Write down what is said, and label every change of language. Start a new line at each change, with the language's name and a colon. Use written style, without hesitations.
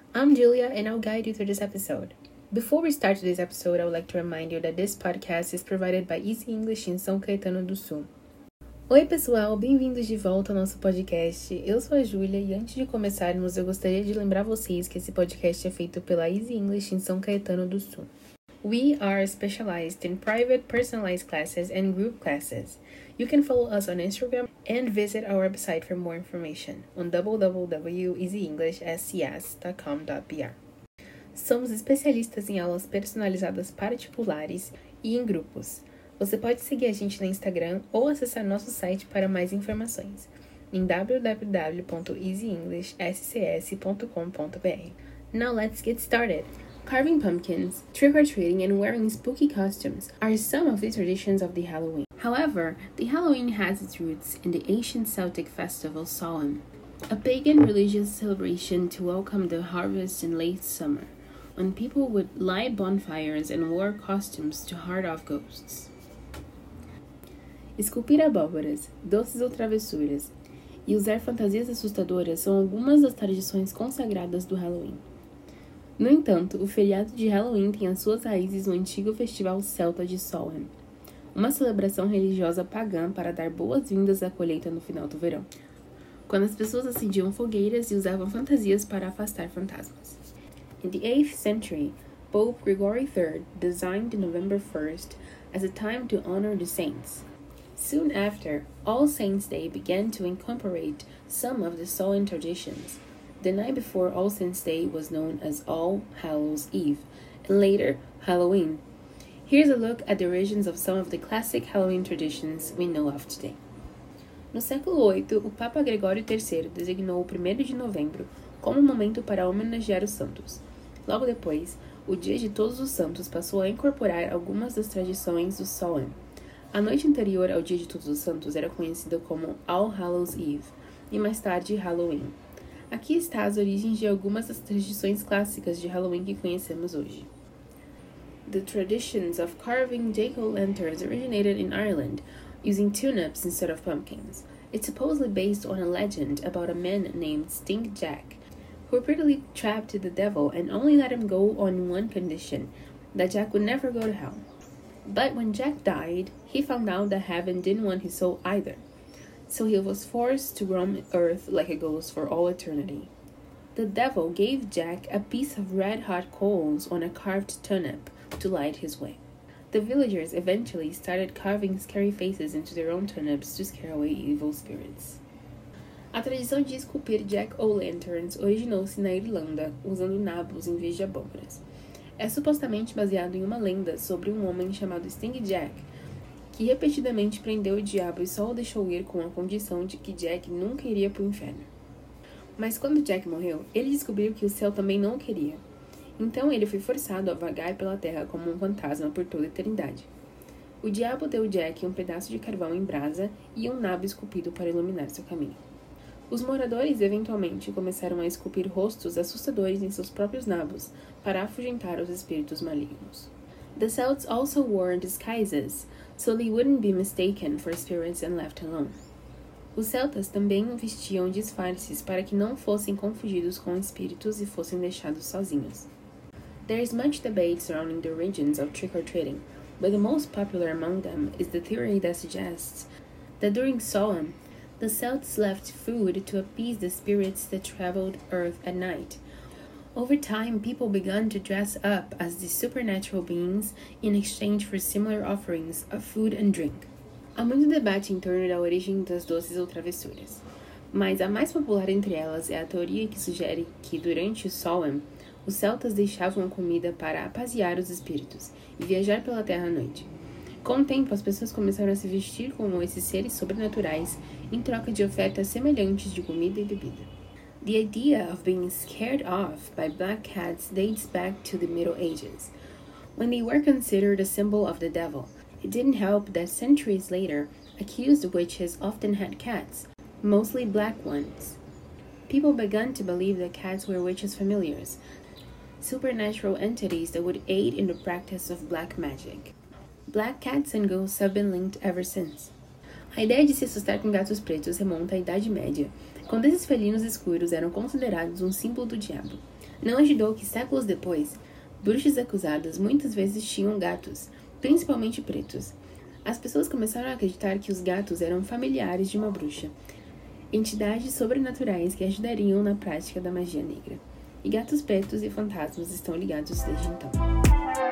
English: I'm Julia and I'll guide you through this episode. Before we start this episode, I would like to remind you that this podcast is provided by Easy English in São Caetano do Sul.
Portuguese: Oi pessoal, bem-vindos de volta ao nosso podcast. Eu sou a Julia e antes de começarmos, eu gostaria de lembrar vocês que esse podcast é feito pela Easy English em São Caetano do Sul.
English: We are specialized in private personalized classes and group classes. You can follow us on Instagram and visit our website for more information on www.easyenglishscs.com.br.
Portuguese: Somos especialistas em aulas personalizadas particulares e em grupos. Você pode seguir a gente no Instagram ou acessar nosso site para mais informações em www.easyenglishscs.com.br.
English: Now let's get started! Carving pumpkins, trick-or-treating, and wearing spooky costumes are some of the traditions of the Halloween. However, the Halloween has its roots in the ancient Celtic festival Samhain, a pagan religious celebration to welcome the harvest in late summer, when people would light bonfires and wore costumes to ward off ghosts.
Portuguese: Esculpir abóboras, doces ou travessuras, e usar fantasias assustadoras são algumas das tradições consagradas do Halloween. No entanto, o feriado de Halloween tem as suas raízes no antigo festival celta de Samhain, uma celebração religiosa pagã para dar boas-vindas à colheita no final do verão, quando as pessoas acendiam fogueiras e usavam fantasias para afastar fantasmas.
English: In the 8th century, Pope Gregory III designed November 1st as a time to honor the saints. Soon after, All Saints' Day began to incorporate some of the Samhain traditions. The night before All Saints' Day was known as All Hallows' Eve, and later, Halloween. Here's a look at the origins of some of the classic Halloween traditions we know of today.
Portuguese: No século 8, o Papa Gregório III designou o 1º de novembro como um momento para homenagear os santos. Logo depois, o Dia de Todos os Santos passou a incorporar algumas das tradições do Samhain. A noite anterior ao Dia de Todos os Santos era conhecida como All Hallows' Eve, e mais tarde, Halloween. Aqui está as origens de algumas das tradições clássicas de Halloween que conhecemos hoje.
English: The traditions of carving jack-o'-lanterns originated in Ireland, using tulips instead of pumpkins. It's supposedly based on a legend about a man named Stink Jack, who repeatedly trapped the devil and only let him go on one condition, that Jack would never go to hell. But when Jack died, he found out that heaven didn't want his soul either. So he was forced to roam Earth like a ghost for all eternity. The devil gave Jack a piece of red-hot coals on a carved turnip to light his way. The villagers eventually started carving scary faces into their own turnips to scare away evil spirits.
Portuguese: A tradição de esculpir jack-o'-lanterns originou-se na Irlanda, usando nabos em vez de abóboras. É supostamente baseado em uma lenda sobre um homem chamado Stink Jack, que repetidamente prendeu o diabo e só o deixou ir com a condição de que Jack nunca iria para o inferno. Mas quando Jack morreu, ele descobriu que o céu também não o queria. Então ele foi forçado a vagar pela terra como um fantasma por toda a eternidade. O diabo deu Jack um pedaço de carvão em brasa e um nabo esculpido para iluminar seu caminho. Os moradores eventualmente começaram a esculpir rostos assustadores em seus próprios nabos para afugentar os espíritos malignos.
English: The Celts also wore disguises, so they wouldn't be mistaken for spirits and left alone.
Portuguese: Os celtas também vestiam disfarces para que não fossem confundidos com espíritos e fossem deixados sozinhos.
English: There is much debate surrounding the origins of trick-or-treating, but the most popular among them is the theory that suggests that during Samhain, the Celts left food to appease the spirits that traveled Earth at night. Over time, people began to dress up as the supernatural beings in exchange for similar offerings of food and drink.
Portuguese: Há muito debate em torno da origem das doces ou travessuras, mas a mais popular entre elas é a teoria que sugere que durante o Samhain, os celtas deixavam comida para apaziguar os espíritos e viajar pela terra à noite. Com o tempo, as pessoas começaram a se vestir como esses seres sobrenaturais em troca de ofertas semelhantes de comida e bebida.
English: The idea of being scared off by black cats dates back to the Middle Ages, when they were considered a symbol of the devil. It didn't help that centuries later, accused witches often had cats, mostly black ones. People began to believe that cats were witches' familiars, supernatural entities that would aid in the practice of black magic. Black cats and ghosts have been linked ever since.
Portuguese: A ideia de se assustar com gatos pretos remonta à Idade Média, quando esses felinos escuros eram considerados um símbolo do diabo. Não ajudou que, séculos depois, bruxas acusadas muitas vezes tinham gatos, principalmente pretos. As pessoas começaram a acreditar que os gatos eram familiares de uma bruxa, entidades sobrenaturais que ajudariam na prática da magia negra. E gatos pretos e fantasmas estão ligados desde então.